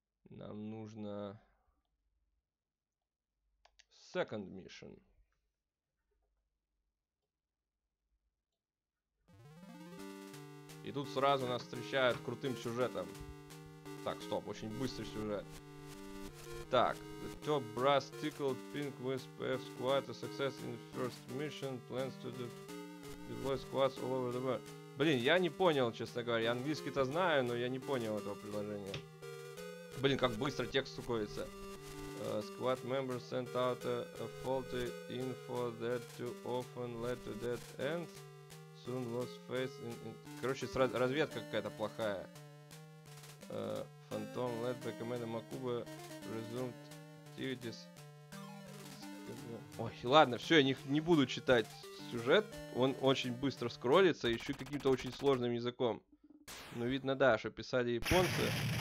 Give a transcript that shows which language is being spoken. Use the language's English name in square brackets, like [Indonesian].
[Russian] Нам нужно [English] second mission. [Russian] И тут сразу нас встречают крутым сюжетом. Так, стоп, очень быстрый сюжет. Так, [English] the top brass tickled pink with PF squad a success in the first mission plans to deploy squads all over the world. [Russian] Блин, я не понял, честно говоря. Я английский-то знаю, но я не понял этого предложения. Блин, как быстро текст стукается. [English] Squad members sent out a faulty info that too often led to dead ends. Soon lost faith in... [Russian] Короче, разведка какая-то плохая. [English] Phantom led by commander Makuba resumed activities. [Russian] Ой, ладно, все, я не буду читать сюжет. Он очень быстро скроллится, еще каким-то очень сложным языком. Но видно, да, что писали японцы.